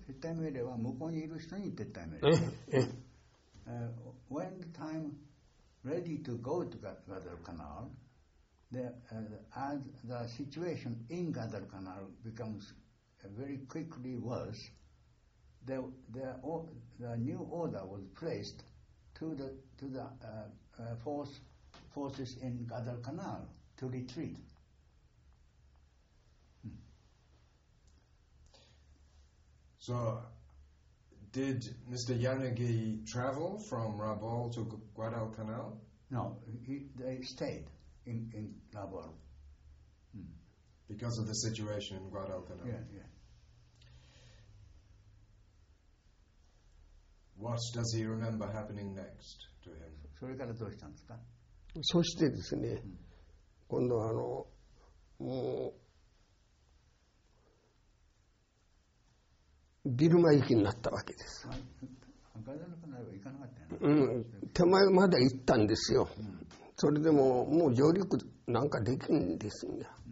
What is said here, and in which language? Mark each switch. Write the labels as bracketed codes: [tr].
[ja] 撤退命令は向こうにいる人に撤退命令。 [en] When the time ready to go to ガダルカナル, as the situation in ガダルカナル becomes very quickly worse,The new order was placed to the forces in Guadalcanal to retreat. So, did Mr. Yanagi travel from Rabaul to Guadalcanal? No, they stayed in Rabaul. Because of the situation in Guadalcanal? Yeah. What does he remember happening next to him? [ja] それからどうしたんですか？そしてですね、今度はもうビルマ行きになったわけです。ガダルカナルは行かなかったよね。手前まで行ったんですよ。それでももう上陸なんかできんですんや。